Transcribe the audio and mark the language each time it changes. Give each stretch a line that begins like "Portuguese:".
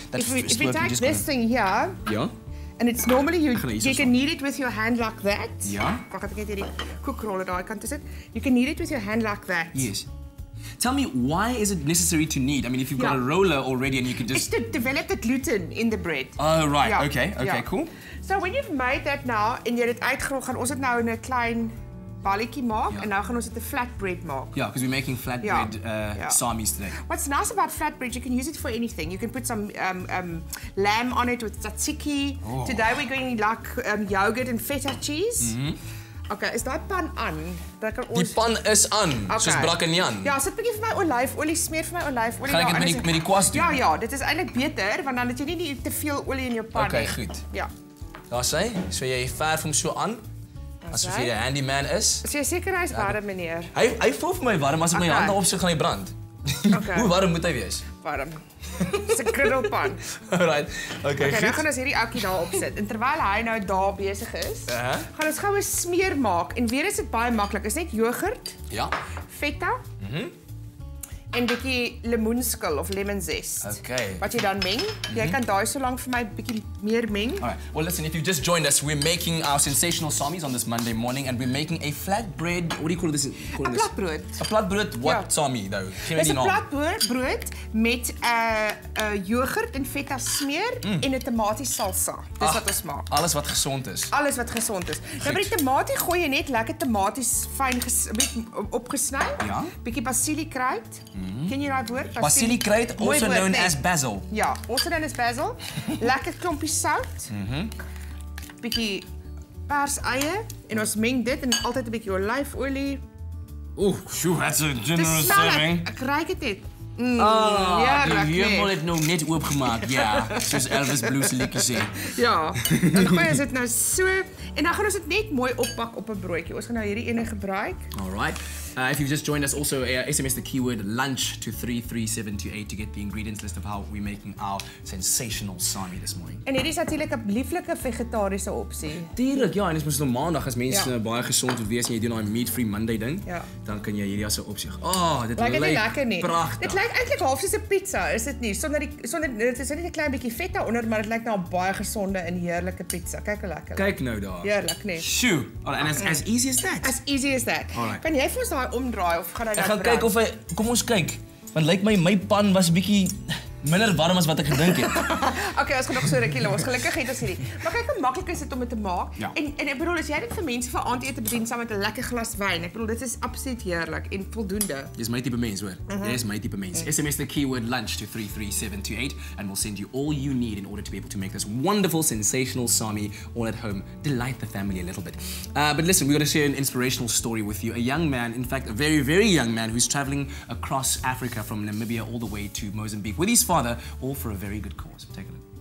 English: If we take this thing here, and it's normally you can knead it with your hand like that. You can knead it with your hand like that. Yes. Tell me, why is it necessary to knead? I mean, if you've got a roller already and you can just... It's to develop the gluten in the bread. Oh, right. Yeah. Okay, cool. So when you've made that now, and you've
Afrikaans: uitgerold, gaan ons het nou in 'n klein balletjie maak,
English: and now
Afrikaans: gaan ons het 'n flatbread maak.
English: Yeah, because we're making flatbread samis today. What's nice about flatbread, you can use it for anything. You can put some lamb on it with tzatziki. Oh. Today we're going to like yogurt and feta cheese. Mm-hmm.
Afrikaans: Okay, is dat pan aan? Die pan is aan, soos Brak en Jan. Ja, sit bietjie vir my olyfolie, smeer vir my olyfolie. Gaan ek dit met die kwast doen? Ja, dit is eintlik beter, want dan het jy nie te veel olie in jou pan. Okay, goed. Ja. Daar is hy, so jy verf hom so aan, asof jy 'n handyman is. Is jy seker hy is warm, meneer? Hy voel vir my warm, as ek my hand daarop sit, gaan hy brand. Okay. Hoe warm moet hy wees? Warm. Dis 'n griddelpan.
English: Alright. Okay,
Afrikaans: goed. Nou gaan ons hierdie oukie daar op sit. En terwyl hy nou daar besig is, gaan ons gou 'n smeer maak. En weer is dit baie maklik. Is net yoghurt. Ja. Feta. Mhm. En 'n bietjie lemoenskil of lemon zest. Okay. Wat jy dan meng. Jy kan daai so lank vir my bietjie meer meng. Alright.
English: Well, listen, if you just joined us, we're making our sensational samis on this Monday morning and we're making a flatbread. What do you call this?
Afrikaans: Flatbrood.
English: A flatbread what sami though?
Afrikaans: Dis 'n flatbrood met 'n yoghurt en feta smeer en 'n tamatie salsa. Dis wat ons maak. Alles wat gesond is. Alles wat gesond is. Nou by die tamatie gooi jy net lekker tamaties fyn opgesny. Ja. Bietjie basiliekruid. Mm-hmm. Ken jy daai woord?
English: Basiliekruid, also known as basil.
Afrikaans: Ja,
English: also known as basil.
Afrikaans: Lekker klompie sout. Mm-hmm. Bietjie pers eie en ons meng dit en altyd 'n bietjie olyfolie.
English: Oeh, sjoe, that's a generous serving.
Afrikaans: Ek ruik dit. Die hemel het nou net oopgemaak, soos Elvis Blues liedjie sê. Ja, en gooi ons dit nou so, en dan gaan ons dit net mooi oppak op 'n broodjie. Ons gaan nou hierdie ene gebruik.
English: Alright. If you've just joined us, also SMS the keyword lunch to 33728 to get the ingredients list of how we're making our sensational sami this morning.
Afrikaans: En hierdie is natuurlik 'n lieflike vegetariese opsie. Tuurlik, en dis mos nou maandag as mense baie gesond wil wees en jy doen daai meat-free Monday ding, dan kan jy hierdie as 'n opsie. Oh, dit lyk pragtig. Dit lyk eintlik half soos 'n pizza, is dit nie? Dit is net 'n klein bietjie vet onder, maar dit lyk nou 'n baie gesonde en heerlike pizza. Kyk hoe lekker. Kyk nou daar. Heerlik, nee.
English: Shoo. And as easy as that. As easy as that. Alright.
Afrikaans: Kan jy vir ons daai omdraai of gaan hy dan? Ek gaan kyk of hy kom ons kyk. Want lyk my pan was 'n bietjie minder warm as wat ek gedink het. Okay, ons gaan nog so 'n rukkie los. Gelukkig het ons hierdie. Maar kyk hoe maklik is dit om dit te maak. Ja. En ek bedoel, as jy dit vir mense vir aandete bedien saam met 'n lekker glas wyn, ek bedoel dit is absoluut heerlik en voldoende. Dis my tipe mens, hoor. Uh-huh. Dis my tipe mens. Okay.
English: SMS the keyword lunch to 33728 and we'll send you all you need in order to be able to make this wonderful sensational sami all at home. Delight the family a little bit. But listen, we got to share an inspirational story with you. A young man, in fact, a very very young man who's traveling across Africa from Namibia all the way to Mozambique. With his father, all for a very good cause. Take a look.